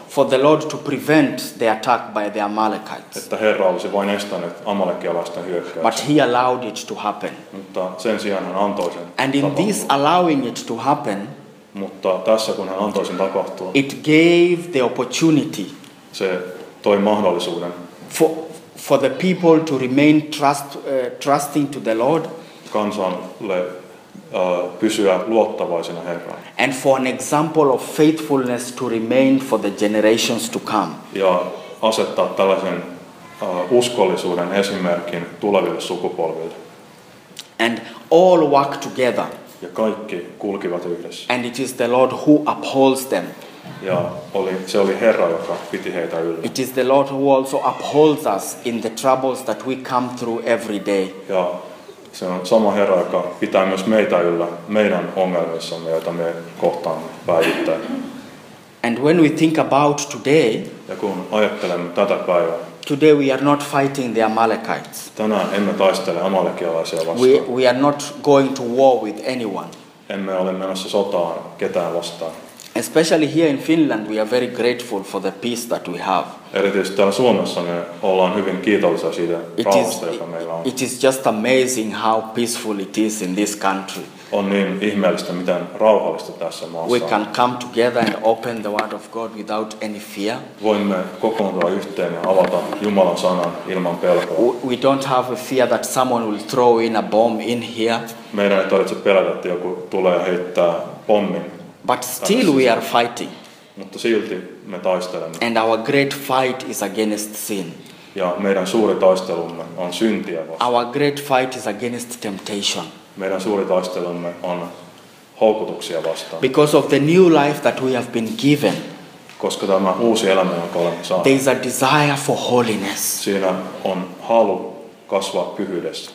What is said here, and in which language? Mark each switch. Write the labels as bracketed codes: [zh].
[en] For the Lord to prevent the attack by the Amalekites. [fi] Että Herra olisi vain estänyt amalekialaisten hyökkäyksen. [en] But he allowed it to happen. [fi] Mutta sen sijaan hän antoi sen. [en] And in this allowing it to happen, [fi] mutta tässä kun hän antoi sen tapahtua, [en] it gave the opportunity. [fi] Se toi mahdollisuuden. [en] For the people to remain trusting to the Lord. [fi] Kansalle pysyä luottavaisena Herraan. [en] And for an example of faithfulness to remain for the generations to come. [fi] Ja asettaa tällaisen uskollisuuden esimerkin tuleville sukupolville. [en] And all work together. [fi] Ja kaikki kulkivat yhdessä. [en] And it is the Lord who upholds them. [fi] Ja se oli Herra, joka piti heitä yllä. [en] It is the Lord who also upholds us in the troubles that we come through every day. [fi] Ja se on sama Herra, joka pitää myös meitä yllä meidän ongelmissamme, joita me kohtaamme päivittäin. [en] And when we think about today, [fi] ja kun ajattelemme tätä päivää, [en] today we are not fighting the Amalekites. [fi] Tänään emme taistele amalekialaisia vastaan. [en] We are not going to war with anyone. [fi] Emme ole menossa sotaan ketään vastaan. [en] Especially here in Finland, we are very grateful for the peace that we have. [fi] Erityisesti täällä Suomessa me ollaan hyvin kiitollisia siitä rauhasta, joka meillä on. [en] It is just amazing how peaceful it is in this country. [fi] On niin ihmeellistä, miten rauhallista tässä maassa on. [en] We can come together and open the word of God without any fear. [fi] Voimme kokoontua yhteen ja avata Jumalan sanan ilman pelkoa. [en] We don't have a fear that someone will throw in a bomb in here. [fi] Meidän ei tarvitse pelätä, että joku tulee heittää pommin. [en] But still we are fighting. [fi] Mutta silti me taistelemme. [en] And our great fight is against sin. [fi] Ja meidän suuri taistelumme on syntiä vastaan. [en] Our great fight is against temptation. [fi] Meidän suuri taistelumme on houkutuksia vastaan. [en] Because of the new life that we have been given. [fi] Koska tämä uusi elämä, jonka olemme saaneet. [en] There is a desire for holiness. [fi] Siinä on halu kasvaa pyhyydessä.